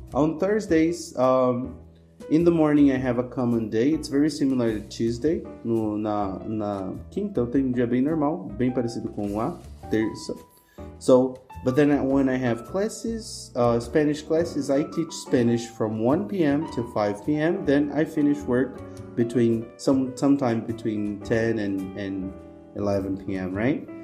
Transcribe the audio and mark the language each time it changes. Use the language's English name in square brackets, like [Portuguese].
[English] On Thursdays, in the morning I have a common day. It's very similar to Tuesday. [Portuguese] Na quinta, eu tenho um dia bem normal, bem parecido com a terça. [English] So, but then when I have classes, Spanish classes, I teach Spanish from 1 p.m. to 5 p.m. Then I finish work between sometime between 10 and 11 p.m., right?